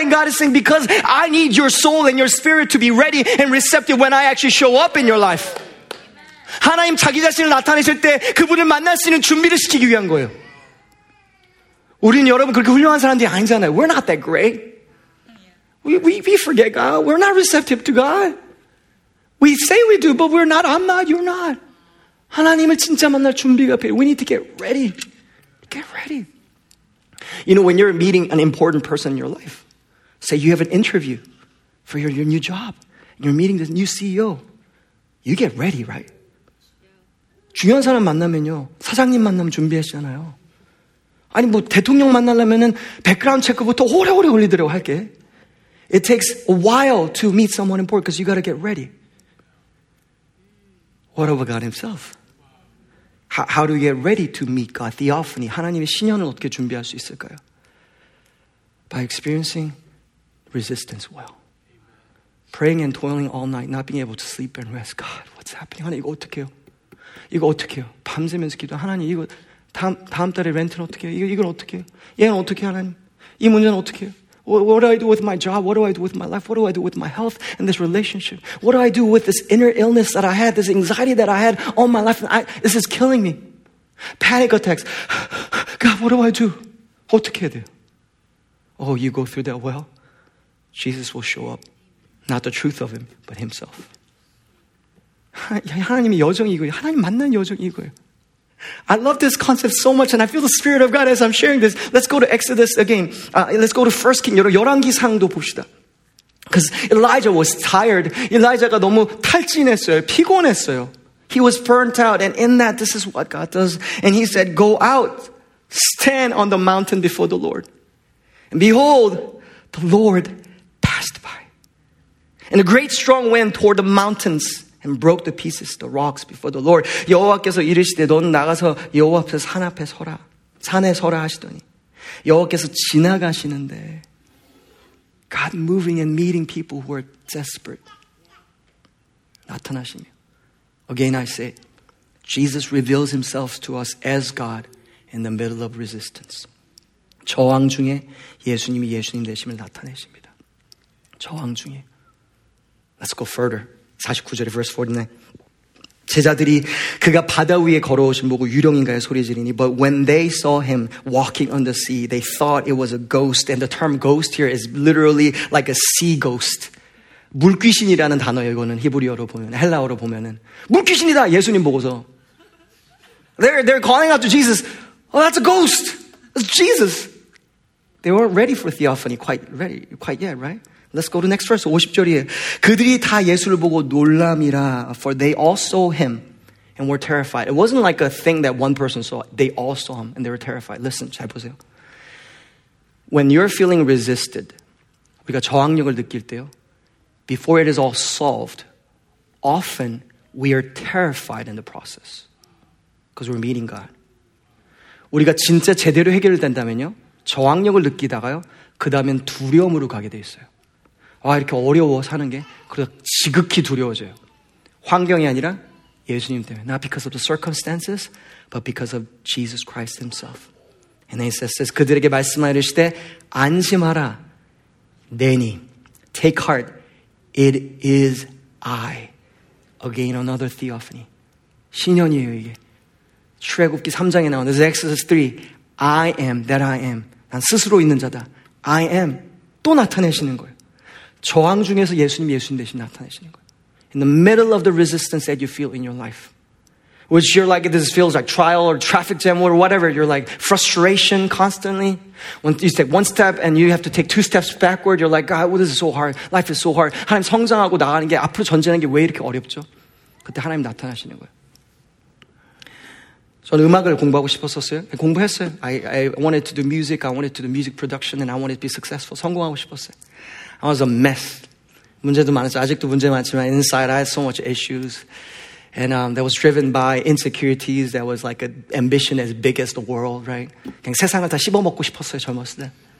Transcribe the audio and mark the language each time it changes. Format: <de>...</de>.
<en>And God is saying, because I need your soul and your spirit to be ready and receptive when I actually show up in your life.</en> <ko>Amen. 하나님 자기 자신을 나타내실 때 그분을 만날 수 있는 준비를 시키기 위한 거예요. 우리는 여러분 그렇게 훌륭한 사람들이 아니잖아요.</ko> <en>We're not that great. We forget God. We're not receptive to God. We say we do, but we're not. I'm not. You're not.</en> <ko>하나님을 진짜 만날 준비가 필요해.</ko> <en>We need to get ready. Get ready. You know, when you're meeting an important person in your life, say you have an interview for your new job, you're meeting this new CEO, you get ready, right?</en> <ko>중요한 사람 만나면요, 사장님 만나면 준비하시잖아요. 아니, 뭐 대통령 만나려면은 백그라운드 체크부터 오래오래 걸리더라고, 할게.</ko> <en>It takes a while to meet someone important because you got to get ready. What about God himself? How do we get ready to meet God?</en> <ko>Theophany, 하나님의 신년을 어떻게 준비할 수 있을까요?</ko> <en>By experiencing resistance well. Praying and toiling all night, not being able to sleep and rest. God, what's happening?</en> <ko>하나님, 이거 어떻게 해요? 이거 어떻게 해요? 밤새면서 기도. 하나님, 이거 다음 달에 렌트는 어떻게 해요? 이걸 어떻게 해요? 얘는 어떻게 해요, 하나님? 이 문제는 어떻게 해요?</ko> <en>What do I do with my job? What do I do with my life? What do I do with my health and this relationship? What do I do with this inner illness that I had, this anxiety that I had all my life? This is killing me. Panic attacks. God, what do I do?</en> <ko>어떻게 해야 돼요?</ko> <en>Oh, you go through that well, Jesus will show up. Not the truth of him, but himself.</en> <ko>하나님의 여정이고요. 하나님 만난 여정이고요.</ko> <en>I love this concept so much, and I feel the Spirit of God as I'm sharing this. Let's go to Exodus again. Let's go to 1 Kings,</en> <ko>열왕기상도 봅시다.</ko> <en>Because Elijah was tired.</en> <ko>Elijah가 너무 탈진했어요. 피곤했어요.</ko> <en>He was burnt out, and in that, this is what God does. And he said, go out, stand on the mountain before the Lord. And behold, the Lord passed by. And a great strong wind toward the mountains. And broke the pieces, the rocks before the Lord.</en> <ko>여호와께서 이르시되 너는 나가서 여호와 앞에 산 앞에 서라. 산에 서라 하시더니 여호와께서 지나가시는데</ko> <en>God moving and meeting people who are desperate.</en> <ko>나타나시며</ko> <en>Again I say, Jesus reveals himself to us as God in the middle of resistance.</en> <ko>저항 중에 예수님이 예수님 되심을 나타내십니다. 저항 중에</ko> <en>Let's go further.</en> <ko>49절에</ko> <en>verse 49.</en> <ko>제자들이 그가 바다 위에 걸어오신 보고 유령인가요 소리 지르니</ko> <en>But when they saw him walking on the sea, they thought it was a ghost. And the term ghost here is literally like a sea ghost.</en> <ko>물귀신이라는 단어예요. 이거는 히브리어로 보면, 헬라어로 보면은 물귀신이다. 예수님 보고서</ko> <en>they're calling out to Jesus. Oh, that's a ghost. That's Jesus. They weren't ready for theophany quite yet, right? Let's go to next verse,</en> <ko>50절이에요. 그들이 다 예수를 보고 놀람이라.</ko> <en>For they all saw him and were terrified. It wasn't like a thing that one person saw. They all saw him and they were terrified. Listen,</en> <ko>잘 보세요.</ko> <en>When you're feeling resisted,</en> <ko>우리가 저항력을 느낄 때요.</ko> <en>Before it is all solved, often we are terrified in the process. Because we're meeting God.</en> <ko>우리가 진짜 제대로 해결된다면요. 저항력을 느끼다가요. 그 다음엔 두려움으로 가게 돼 있어요. 아 이렇게 어려워 사는 게 그래서 지극히 두려워져요. 환경이 아니라 예수님 때문에.</ko> <en>Not because of the circumstances, but because of Jesus Christ himself. And then he says,</en> <ko>그들에게 말씀하시되 안심하라. 내니.</ko> <en>Take heart. It is I. Again, another theophany.</en> <ko>신현이에요, 이게. 출애굽기 3장에 나오는</ko> <en>This is Exodus 3. I am that I am.</en> <ko>난 스스로 있는 자다.</ko> <en>I am.</en> <ko>또 나타내시는 거예요. 저항 중에서 예수님 예수님 대신 나타내시는 거예요.</ko> <en>In the middle of the resistance that you feel in your life, which you're like, this feels like trial or traffic jam or whatever, you're like frustration constantly. When you take one step and you have to take two steps backward, you're like, God, this is so hard. Life is so hard.</en> <ko>하나님 성장하고 나가는 게 앞으로 전진하는 게 왜 이렇게 어렵죠? 그때 하나님 나타나시는 거예요. 저는 음악을 공부하고 싶었었어요. 공부했어요.</ko> <en>I wanted to do music. I wanted to do music production and I wanted to be successful.</en> <ko>성공하고 싶었어요.</ko> <en>I was a mess.</en> <ko>문제도 많았어요. 아직도 문제 많지만</ko> <en>inside I had so much issues. And that was driven by insecurities. That was like an ambition as big as the world, right?</en> <ko>그냥 세상을 다 씹어먹고 싶었어요, 젊었을 때.</ko>